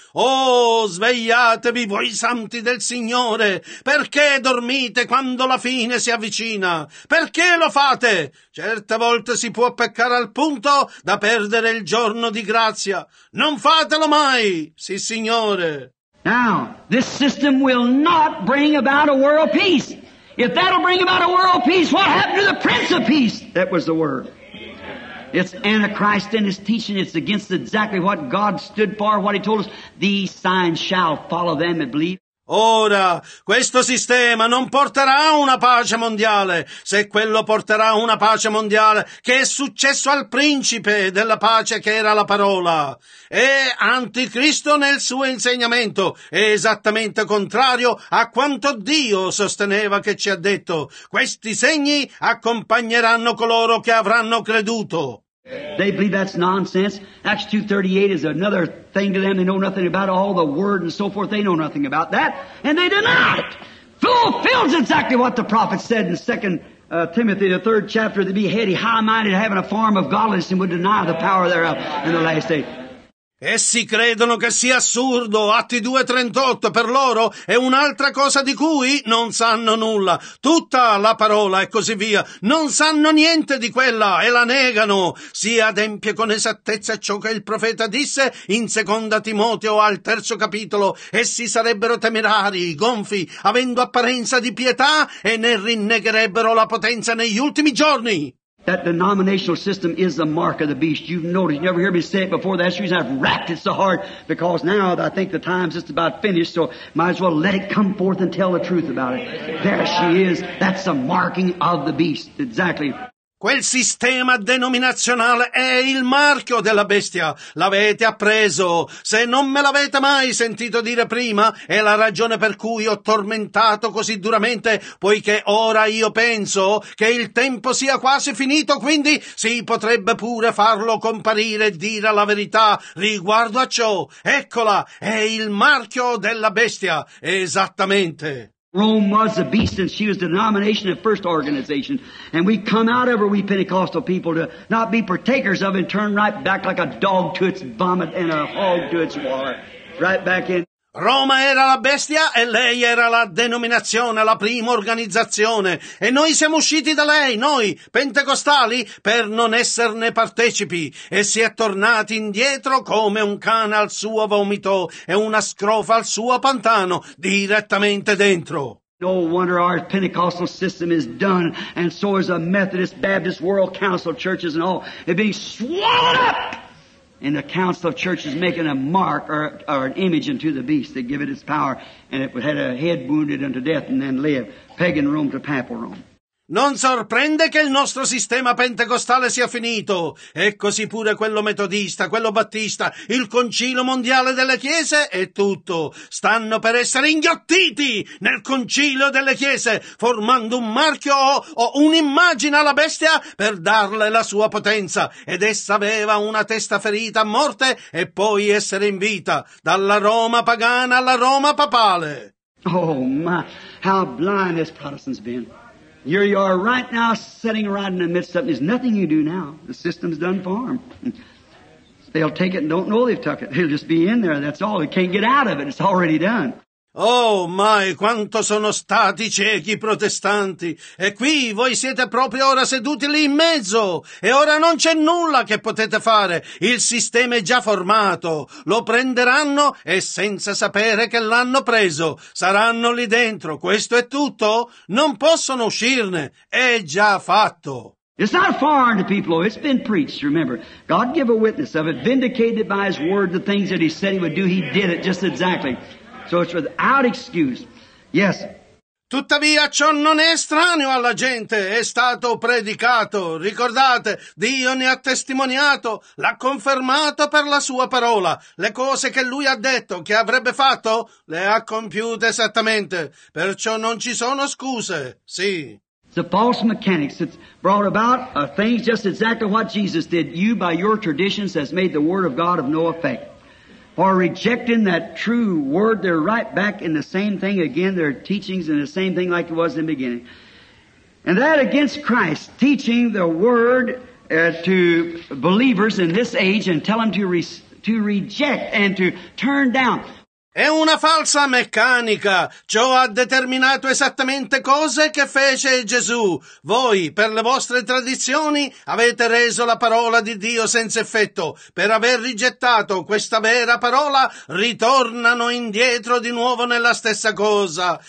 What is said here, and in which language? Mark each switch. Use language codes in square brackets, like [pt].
[it] Oh, svegliatevi voi santi del Signore, perché dormite quando la fine si avvicina? Perché lo fate? Certe volte si può peccare al punto da perdere il giorno di grazia. Non fatelo mai, sì Signore. [en] Now, this system will not bring about a world peace. If that'll bring about a world peace, what happened to the Prince of Peace? That was the word. It's Antichrist and his teaching. It's against exactly what God stood for, what he told us. These signs shall follow them and believe. [it] Ora, questo sistema non porterà una pace mondiale. Se quello porterà una pace mondiale, che è successo al principe della pace che era la parola? È anticristo nel suo insegnamento. È esattamente contrario a quanto Dio sosteneva che ci ha detto. Questi segni accompagneranno coloro che avranno creduto. [en] They believe that's nonsense. Acts 2:38 is another thing to them. They know nothing about all the word and so forth. They know nothing about that. And they deny it. Fulfills exactly what the prophet said in 2 Timothy, the 3rd chapter, to be heady, high-minded, having a form of godliness, and would deny the power thereof in the last day. [it] Essi credono che sia assurdo, Atti 2:38, per loro è un'altra cosa di cui non sanno nulla, tutta la parola e così via, non sanno niente di quella e la negano. Si adempie con esattezza ciò che il profeta disse in 2 Timoteo al 3 capitolo, essi sarebbero temerari, gonfi, avendo apparenza di pietà e ne rinnegherebbero la potenza negli ultimi giorni. [en] That denominational system is the mark of the beast. You've noticed, you never hear me say it before. That's the reason I've rapped it so hard, because now I think the time's just about finished, so might as well let it come forth and tell the truth about it. There she is. That's the marking of the beast. Exactly. [it] Quel sistema denominazionale è il marchio della bestia. L'avete appreso. Se non me l'avete mai sentito dire prima, è la ragione per cui ho tormentato così duramente, poiché ora io penso che il tempo sia quasi finito, quindi si potrebbe pure farlo comparire e dire la verità riguardo a ciò. Eccola, è il marchio della bestia. Esattamente. [en] Rome was a beast, and she was the denomination of first organization. And we come out of her, we Pentecostal people, to not be partakers of it and turn right back like a dog to its vomit and a hog to its water. Right back in. [it] Roma era la bestia e lei era la denominazione, la prima organizzazione. E noi siamo usciti da lei, noi, pentecostali, per non esserne partecipi. E si è tornati indietro come un cane al suo vomito e una scrofa al suo pantano, direttamente dentro. [en] No wonder our Pentecostal system is done, and so is the Methodist, Baptist, World Council, churches and all. It's being swallowed up! And the council of churches making a mark or an image unto the beast. They give it its power, and it had a head wounded unto death and then live. Pagan Rome to papal Rome. [it] Non sorprende che il nostro sistema pentecostale sia finito. E così pure quello metodista, quello battista, il concilio mondiale delle chiese e tutto. Stanno per essere inghiottiti nel concilio delle chiese, formando un marchio o un'immagine alla bestia per darle la sua potenza. Ed essa aveva una testa ferita a morte e poi essere in vita, dalla Roma pagana alla Roma papale. [en] Oh, ma how blind this Protestant's been. Here you are right now, sitting right in the midst of it. There's nothing you do now. The system's done for them. They'll take it and don't know they've took it. They'll just be in there, that's all. They can't get out of it. It's already done. [it] Oh, mai, quanto sono stati ciechi protestanti. E qui voi siete proprio ora seduti lì in mezzo. E ora non c'è nulla che potete fare. Il sistema è già formato. Lo prenderanno e senza sapere che l'hanno preso. Saranno lì dentro. Questo è tutto. Non possono uscirne. È già fatto. [en] It's not foreign to people. It's been preached, remember. God gave a witness of it, vindicated by his word the things that he said he would do. He did it just exactly. So it's without excuse. Yes. [it] Tuttavia ciò non è estraneo alla gente, è stato predicato. Ricordate, Dio ne ha testimoniato, l'ha confermato per la sua parola. Le cose che lui ha detto, che avrebbe fatto, le ha compiute esattamente. Perciò non ci sono scuse. Sì. [en] It's a false mechanics. It's brought about a thing just exactly what Jesus did. You, by your traditions, has made the word of God of no effect. Or rejecting that true word, they're right back in the same thing again, their teachings in the same thing like it was in the beginning. And that against Christ, teaching the word to believers in this age and tell them to reject and to turn down. [it] È una falsa meccanica. Ciò ha determinato esattamente cose che fece Gesù. Voi, per le vostre tradizioni, avete reso la parola di Dio senza effetto. Per aver rigettato questa vera parola, ritornano indietro di nuovo nella stessa cosa.